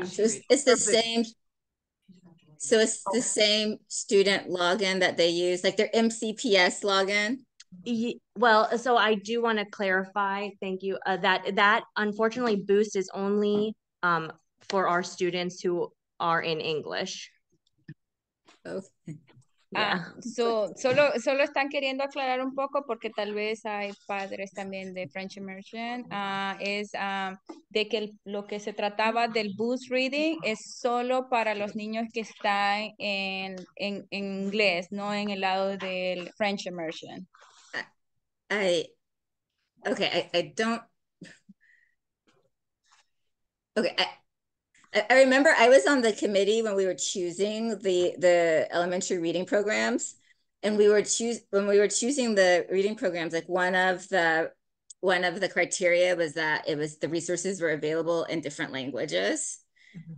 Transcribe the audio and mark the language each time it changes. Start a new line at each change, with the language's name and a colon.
English: The same student login that they use, like their MCPS login? Well, so I do want to clarify, thank you, that unfortunately Boost is only for our students who are in English. Yeah.
Spanish: Solo están queriendo aclarar un poco porque tal vez hay padres también de French Immersion. De que lo que se trataba del Boost Reading es solo para los niños que están en inglés, no en el lado del French Immersion.
English: I remember I was on the committee when we were choosing the elementary reading programs, and when we were choosing the reading programs, like one of the criteria was that it was the resources were available in different languages. Mm-hmm.